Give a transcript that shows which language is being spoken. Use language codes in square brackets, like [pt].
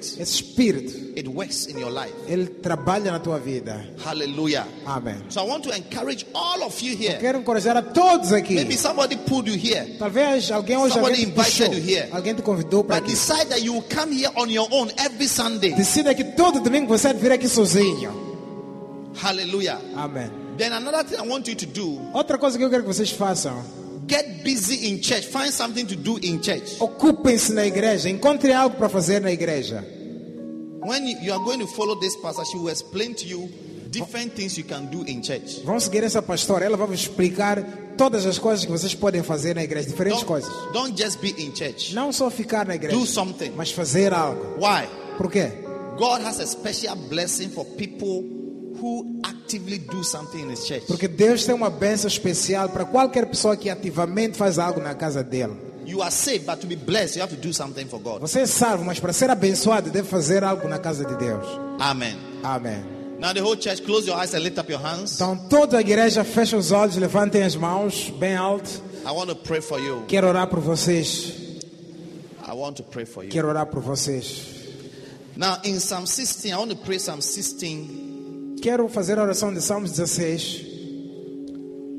[pt] Esse espírito. [en] It works in your life. [pt] Ele trabalha na tua vida. [en] Hallelujah. Amen. So I want to encourage all of you here. [pt] Eu quero encorajar a todos aqui. [en] Maybe somebody pulled you here. [pt] Talvez alguém hoje [en] somebody [pt] alguém [en] invited [pt] puxou. [en] You here. [pt] Alguém te convidou para aqui. [en] But decide that you will come here on your own every Sunday. [pt] Decida que todo domingo você vai vir aqui sozinho. [en] Hallelujah. Amen. Then another thing I want you to do. [pt] Outra coisa que eu quero que vocês façam. [en] Get busy in church. Find something to do in church. [pt] Ocupem-se na igreja. Encontrem algo para fazer na igreja. [en] When you are going to follow this pastor, she will explain to you different things you can do in church. [pt] Vamos seguir essa pastora. Ela vai explicar todas as coisas que vocês podem fazer na igreja. Diferentes coisas. [en] Don't just be in church. [pt] Não só ficar na igreja. [en] Do something. [pt] Mas fazer algo. [en] Why? [pt] Por quê? [en] God has a special blessing for people. Who actively do something in his church. [pt] Porque Deus tem uma bênção especial para qualquer pessoa que ativamente faz algo na casa dele. [en] You are saved, but to be blessed, you have to do something for God. [pt] Você é salvo, mas para ser abençoado, deve fazer algo na casa de Deus. [en] Amen. Amen. Now the whole church, close your eyes and lift up your hands. [pt] Então toda a igreja fecha os olhos, levantem as mãos bem alto. [en] I want to pray for you. [pt] Quero orar por vocês. [en] I want to pray for you. [pt] Quero orar por vocês. [en] Now in Psalm 16, I want to pray Psalm 16. [pt] Quero fazer a oração de Salmos 16.